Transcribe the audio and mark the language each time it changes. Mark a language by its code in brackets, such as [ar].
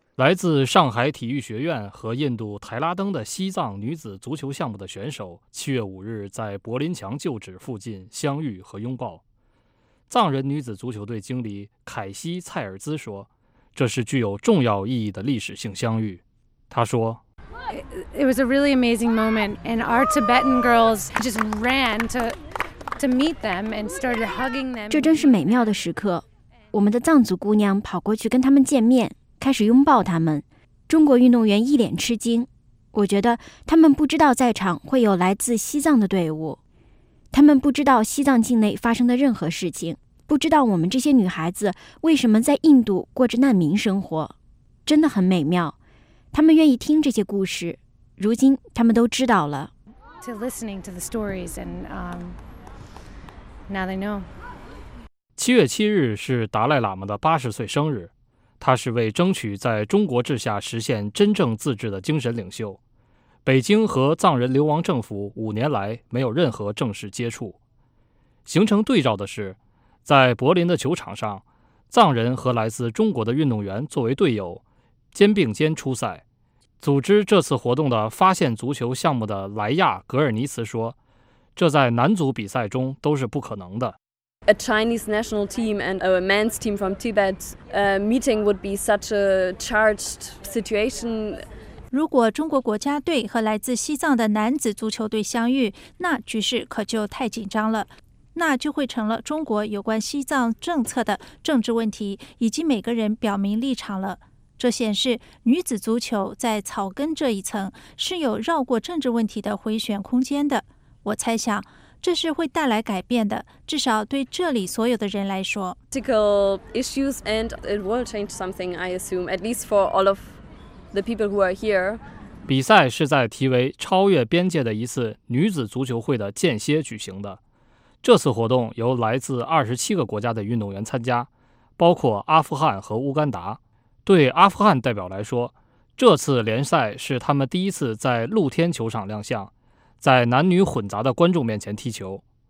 [zh] 来自上海体育学院和印度台拉登的西藏女子足球项目的选手，7月5日在柏林墙旧址附近相遇和拥抱。藏人女子足球队经理凯西·蔡尔兹说，这是具有重要意义的历史性相遇。她说， [en] It was a really amazing moment, and our Tibetan girls just ran to meet them and started hugging them. [zh] 这真是美妙的时刻，我们的藏族姑娘跑过去跟他们见面，开始拥抱他们。中国运动员一脸吃惊，我觉得他们不知道在场会有来自西藏的队伍，他们不知道西藏境内发生的任何事情，不知道我们这些女孩子为什么在印度过着难民生活，真的很美妙。他们愿意听这些故事，如今他们都知道了。 [en] To listening to the stories and now they know. [zh] 7月7日是达赖喇嘛的80岁生日，他是为争取在中国治下实现真正自治的精神领袖。北京和藏人流亡政府5年来没有任何正式接触。形成对照的是，在柏林的球场上，藏人和来自中国的运动员作为队友，肩并肩出赛。组织这次活动的发现足球项目的莱亚·格尔尼茨说，这在男足比赛中都是不可能的。 [en] A Chinese national team and a men's team from Tibet meeting would be such a charged situation. [zh] 如果中国国家队和来自西藏的男子足球队相遇，那局势可就太紧张了，那就会成了中国有关西藏政策的政治问题，以及每个人表明立场了。这显示女子足球在草根这一层是有绕过政治问题的回旋空间的。我猜想这是会带来改变的，至少对这里所有的人来说。 [en] Political issues and it will change something, I assume, at least for all of the people who are here. [zh] 比赛是在题为“超越边界”的一次女子足球会的间歇举行的。这次活动由来自27个国家的运动员参加，包括阿富汗和乌干达。对阿富汗代表来说，这次联赛是他们第一次在露天球场亮相，在男女混杂的观众面前踢球。